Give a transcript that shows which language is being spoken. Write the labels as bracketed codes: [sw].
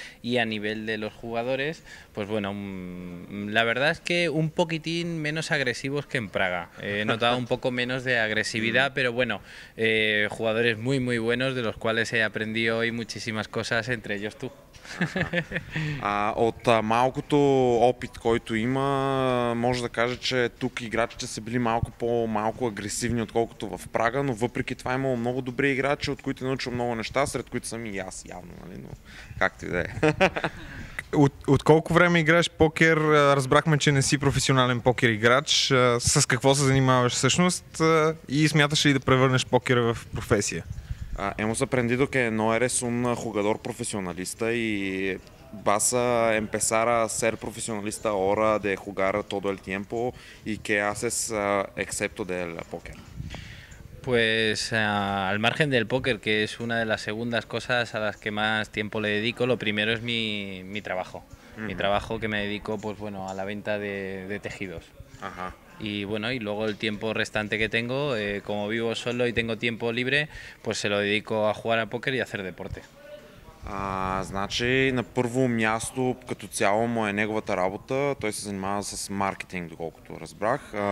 [es] Y a nivel de los jugadores, pues bueno, la verdad es que un poquitín menos agresivos que en Praga. He notado un poco menos de agresividad, pero bueno, jugadores muy, muy buenos, de los cuales he aprendido hoy muchísimas cosas, entre ellos tú. [bg] От малкото опит, който има, може да кажа, че тук играчите са били малко по-малко агресивни, отколкото в Прага, но въпреки това имало много добри играчи, от които е научил много неща, сред които съм и аз явно, нали? Но както и да е. От колко време играеш покер? Разбрахме, че не си професионален покер играч. С какво се занимаваш всъщност и смяташ ли да превърнеш покера в професия? [es] Hemos aprendido que no eres un jugador profesionalista y vas a empezar a ser profesionalista ahora de jugar todo el tiempo y qué haces excepto del póker. Pues al margen del póker, que es una de las segundas cosas a las que más tiempo le dedico, lo primero es mi trabajo. Mm-hmm. Mi trabajo que me dedico pues bueno, a la venta de tejidos. Ajá. Y bueno, y luego el tiempo restante que tengo, como vivo solo y tengo tiempo libre, pues se lo dedico a jugar a póker y a hacer deporte. [bg] Значи на първо място като цяло му е неговата работа, той се занимава с маркетинг, доколкото разбрах.